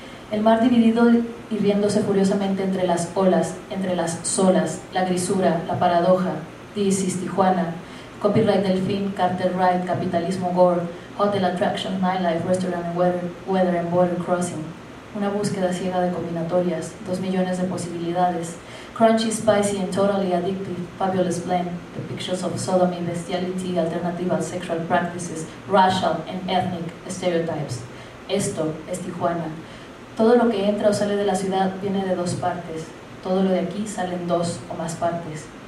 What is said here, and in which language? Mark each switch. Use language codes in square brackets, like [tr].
[es] El mar dividido y riéndose furiosamente entre las olas, entre las solas, la grisura, la paradoja, [en] This is Tijuana. Copyright Delfín, Cartel Ride, Capitalismo Gore, Hotel Attraction, Nightlife, Restaurant and Weather and Border Crossing. [es] Una búsqueda ciega de combinatorias, 2 millones de posibilidades. [en] Crunchy, spicy and totally addictive, fabulous blend, the pictures of sodomy, bestiality, alternative and sexual practices, racial and ethnic stereotypes. [es] Esto es Tijuana. Todo lo que entra o sale de la ciudad viene de 2 partes. Todo lo de aquí sale en 2 o más partes.